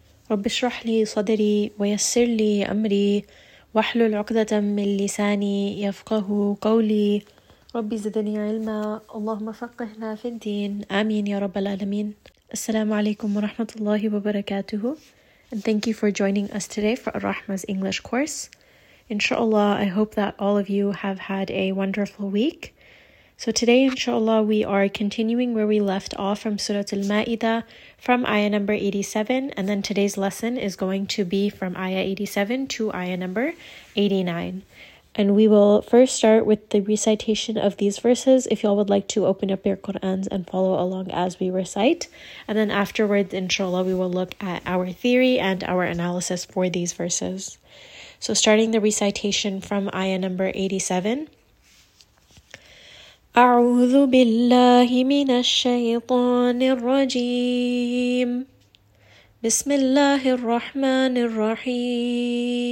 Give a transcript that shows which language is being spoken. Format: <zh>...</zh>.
<ar>رب اشرح لي صدري ويسر لي أمري واحلل عقدة من لساني يفقه قولي. رب زدني علما، اللهم فقهنا في الدين، آمين يا رب العالمين. السلام عليكم ورحمة الله وبركاته.</ar> <en>And thank you for joining us today for Rahma's English course. Inshallah, I hope that all of you have had a wonderful week. So today, inshallah, we are continuing where we left off from Surah Al-Ma'idah, from ayah number 87, and then today's lesson is going to be from ayah 87 to ayah number 89. And we will first start with the recitation of these verses, if y'all would like to open up your Qur'ans and follow along as we recite. And then afterwards, inshallah, we will look at our theory and our analysis for these verses. So starting the recitation from ayah number 87,</en> <ar>أعوذ بالله من الشيطان الرجيم بسم الله الرحمن الرحيم</ar>